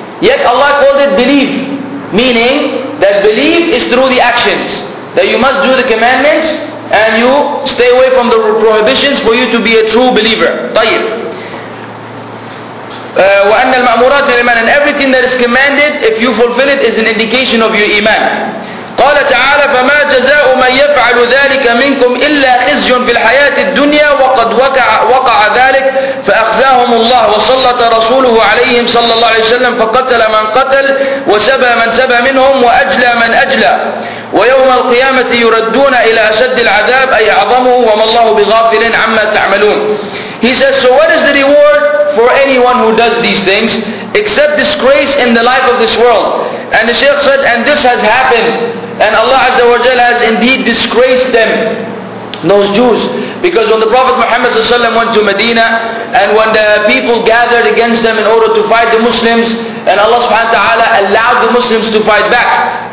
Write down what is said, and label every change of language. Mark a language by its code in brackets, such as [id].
[en] Yet Allah called it belief. Meaning that belief is through the actions. That you must do the commandments and you stay away from the prohibitions for you to be a true believer. [ar] طيب. وَأَنَّ الْمَأْمُورَاتِ مِنَ الْإِيمَانِ. [en] And everything that is commanded, if you fulfill it, is an indication of your iman. [ar] قال تعالى فما جزاء من يفعل ذلك منكم إلا خزي في الحياة الدنيا وقد وقع ذلك فأخذاهم الله وسلط رسوله عليهم صلى الله عليه وسلم فقتل من قتل وسبى من سبى منهم وأجلى من أجلى ويوم القيامة يردون إلى أشد العذاب أي أعظمه وما الله بغافل عما تعملون. [en] He says, so what is the reward for anyone who does these things except disgrace in the life of this world? And the Shaykh said, and this has happened. And Allah Azza wa Jalla has indeed disgraced them, those Jews. Because when the Prophet Muhammad went to Medina, and when the people gathered against them in order to fight the Muslims, and Allah subhanahu wa ta'ala allowed the Muslims to fight back.